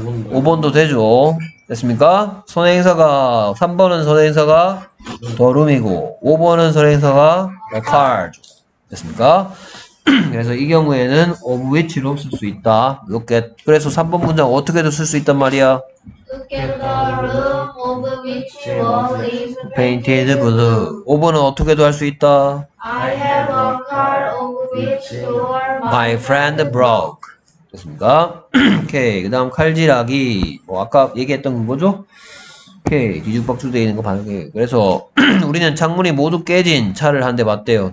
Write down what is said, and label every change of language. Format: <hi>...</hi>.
<ko>5번도 되죠. 됐습니까? 선행사가 3번은 선행사가 더 룸이고 5번은 선행사가 a car 됐습니까? 그래서 이 경우에는 of which로 쓸 수 있다. 이렇게 그래서 3번 문장 어떻게도 쓸 수 있단 말이야.</ko> <en>Look at the room of which wall is painted blue.</en> <ko>5번은 어떻게도 할 수 있다.</ko> <en>I have a car of which door my friend broke.</en> <ko>됐습니까? 오케이. 그 다음 칼질하기. 뭐 아까 얘기했던 거죠? 오케이. 뒤죽박죽 되어 있는 거 봤는 게. 그래서 우리는 창문이 모두 깨진 차를 한 대 봤대요.</ko>